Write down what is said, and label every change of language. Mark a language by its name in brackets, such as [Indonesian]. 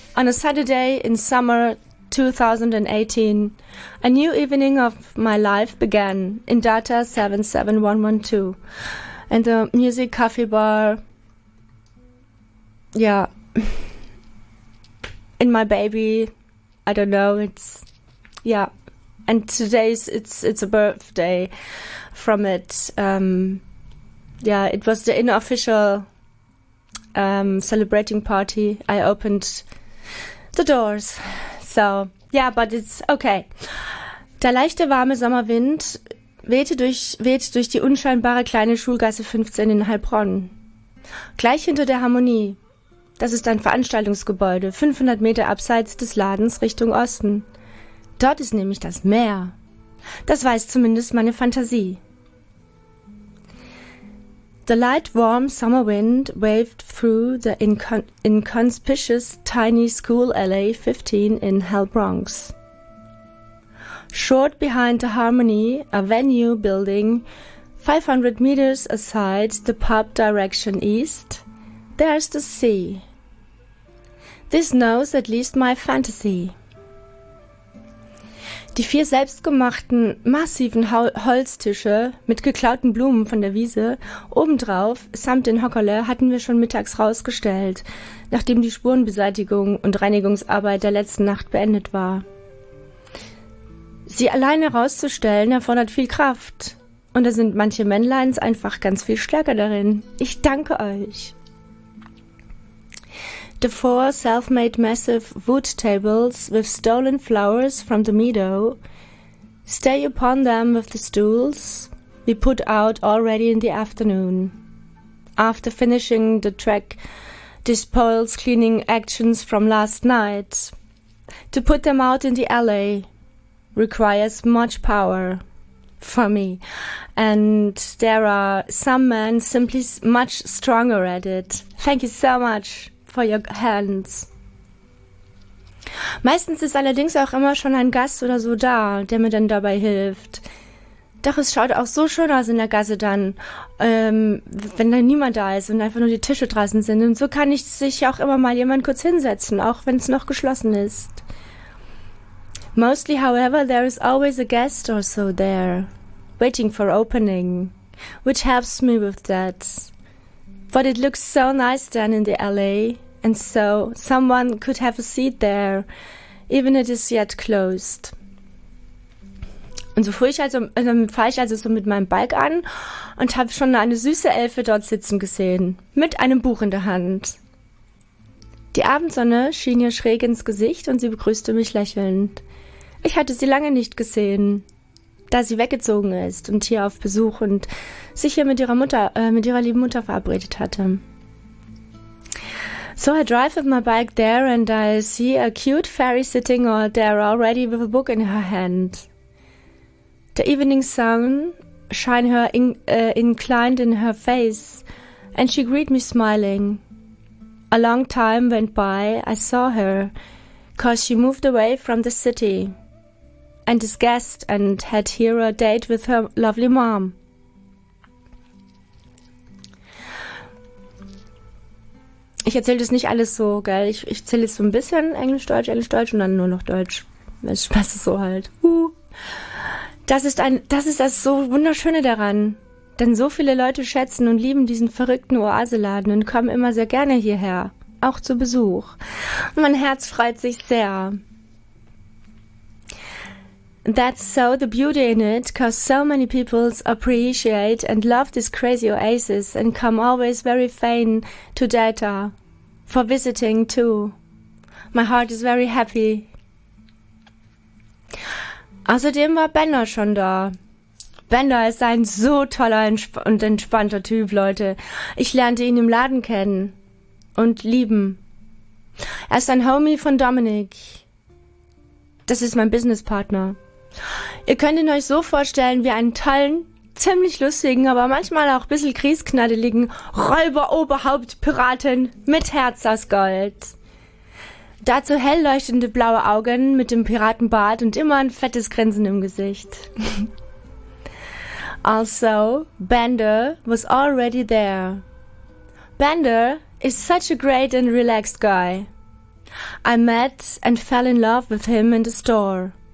[English] On a Saturday in summer 2018, a new evening of my life began in Data 77112 and the music coffee bar, yeah, in my baby, I don't know, it's, yeah, and today's, it's a birthday from it, yeah, it was the unofficial celebrating party. I opened the doors, so, yeah, but it's okay. [German] Der leichte, warme Sommerwind weht durch die unscheinbare kleine Schulgasse 15 in Heilbronn. Gleich hinter der Harmonie. Das ist ein Veranstaltungsgebäude, 500 Meter abseits des Ladens Richtung Osten. Dort ist nämlich das Meer. Das weiß zumindest meine Fantasie. [English] The light, warm summer wind waved through the inconspicuous tiny school LA 15 in Heilbronn. Short behind the Harmony, a venue building, 500 meters aside the pub direction east, there's the sea. This knows at least my fantasy. [German] Die vier selbstgemachten, massiven Holztische mit geklauten Blumen von der Wiese obendrauf samt den Hockerle hatten wir schon mittags rausgestellt, nachdem die Spurenbeseitigung und Reinigungsarbeit der letzten Nacht beendet war. Sie alleine rauszustellen erfordert viel Kraft und da sind manche Männleins einfach ganz viel stärker darin. Ich danke euch. [English] The four self-made massive wood tables with stolen flowers from the meadow. Stay upon them with the stools we put out already in the afternoon. After finishing the track, despoils cleaning actions from last night. To put them out in the alley requires much power for me. And there are some men simply much stronger at it. Thank you so much. For your hands. [German] Meistens ist allerdings auch immer schon ein Gast oder so da, der mir dann dabei hilft. Doch es schaut auch so schön aus in der Gasse dann, wenn da niemand da ist und einfach nur die Tische draußen sind. Und so kann ich sich auch immer mal jemand kurz hinsetzen, auch wenn es noch geschlossen ist. [English] Mostly, however, there is always a guest or so there, waiting for opening, which helps me with that. But it looks so nice down in the alley, and so someone could have a seat there, even if it is yet closed. [German] Und so fahre ich also so mit meinem Bike an und habe schon eine süße Elfe dort sitzen gesehen, mit einem Buch in der Hand. Die Abendsonne schien ihr schräg ins Gesicht und sie begrüßte mich lächelnd. Ich hatte sie lange nicht gesehen, da sie weggezogen ist und hier auf Besuch und sich hier mit ihrer lieben Mutter verabredet hatte. [English] So I drive with my bike there and I see a cute fairy sitting all there already with a book in her hand. The evening sun shine her inclined in her face and she greeted me smiling. A long time went by, I saw her, 'cause she moved away from the city and is guest and had here a date with her lovely mom. [German] Ich erzähle das nicht alles so, gell? Ich erzähle jetzt so ein bisschen Englisch, Deutsch und dann nur noch Deutsch. Das Spaß ist so halt. Das ist das so Wunderschöne daran. Denn so viele Leute schätzen und lieben diesen verrückten Oaseladen und kommen immer sehr gerne hierher. Auch zu Besuch. Und mein Herz freut sich sehr. [English] That's so the beauty in it, 'cause so many people appreciate and love this crazy oasis and come always very fain to data for visiting too. My heart is very happy. [German] Außerdem war Bender schon da. Bender ist ein so toller und entspannter Typ, Leute. Ich lernte ihn im Laden kennen und lieben. Er ist ein Homie von Dominic. Das ist mein Businesspartner. Ihr könnt ihn euch so vorstellen wie einen tollen, ziemlich lustigen, aber manchmal auch ein bisschen kriegsknaddeligen Räuber-Oberhaupt-Piraten mit Herz aus Gold. Dazu hell leuchtende blaue Augen mit dem Piratenbart und immer ein fettes Grinsen im Gesicht. [English] Also, Bender was already there. Bender is such a great and relaxed guy. I met and fell in love with him in the store.